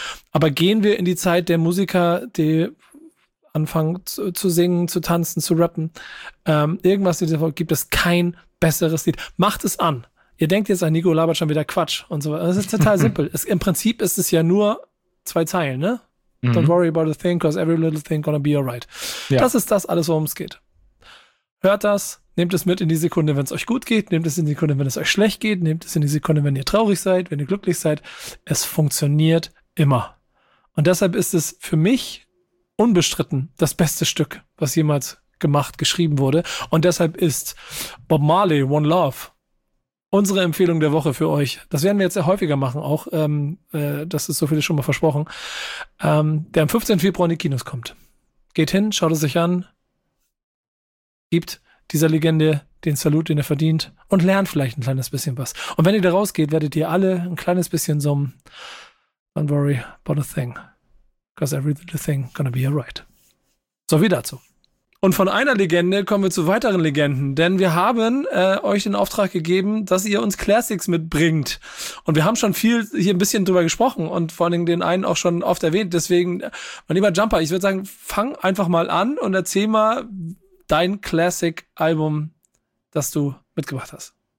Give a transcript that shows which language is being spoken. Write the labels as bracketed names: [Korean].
[German] Aber gehen wir in die Zeit der Musiker, die anfangen zu singen, zu tanzen, zu rappen, irgendwas, gibt es kein besseres Lied. Macht es an. Ihr denkt jetzt an Nico, labert schon wieder Quatsch und so. Das ist total simpel. Im Prinzip ist es ja nur zwei Zeilen, ne? [English] Don't worry about a thing, cause every little thing gonna be alright. [German] Ja. Das ist das alles, worum es geht. Hört das, nehmt es mit in die Sekunde, wenn es euch gut geht, nehmt es in die Sekunde, wenn es euch schlecht geht, nehmt es in die Sekunde, wenn ihr traurig seid, wenn ihr glücklich seid. Es funktioniert immer. Und deshalb ist es für mich unbestritten das beste Stück, was jemals gemacht, geschrieben wurde. Und deshalb ist Bob Marley, One Love, unsere Empfehlung der Woche für euch. Das werden wir jetzt ja häufiger machen, auch das ist so viel schon mal versprochen, der am 15. Februar in die Kinos kommt. Geht hin, schaut es sich an, gibt dieser Legende den Salut, den er verdient und lernt vielleicht ein kleines bisschen was. Und wenn ihr da rausgeht, werdet ihr alle ein kleines bisschen summen. [English] Don't worry about a thing, cause every little thing gonna be alright. [German] So, wie dazu. Und von einer Legende kommen wir zu weiteren Legenden, denn wir haben euch den Auftrag gegeben, dass ihr uns Classics mitbringt. Und wir haben schon viel hier ein bisschen drüber gesprochen und vor allem den einen auch schon oft erwähnt. Deswegen, mein lieber Jumper, ich würde sagen, fang einfach mal an und erzähl mal dein Classic-Album, das du mitgebracht hast.